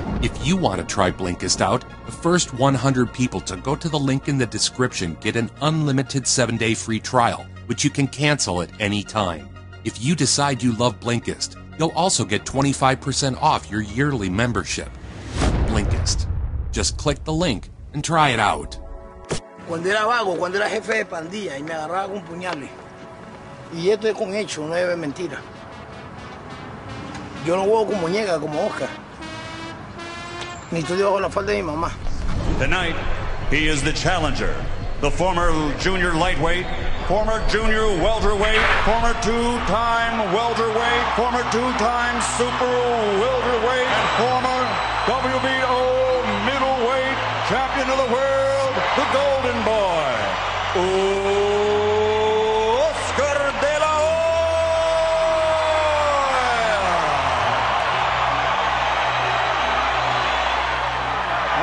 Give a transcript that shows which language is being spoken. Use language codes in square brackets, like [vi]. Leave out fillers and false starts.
[en] If you want to try Blinkist out, the first 100 people to go to the link in the description get an unlimited 7-day free trial, which you can cancel at any time. If you decide you love Blinkist, you'll also get 25% off your yearly membership. Blinkist. Just click the link and try it out. [es] Cuando era vago, cuando era jefe de pandilla y me agarraba con puñales. Y esto es con hecho, no es mentira. Yo no juego como ñega, como Oscar. Ni estudio bajo la falda de mi mamá. [en] Tonight, he is the challenger. The former junior lightweight, former junior welterweight, former two-time welterweight, former two-time super welterweight, and former WBO middleweight champion of the world, the Golden Boy, Oscar De La Hoya.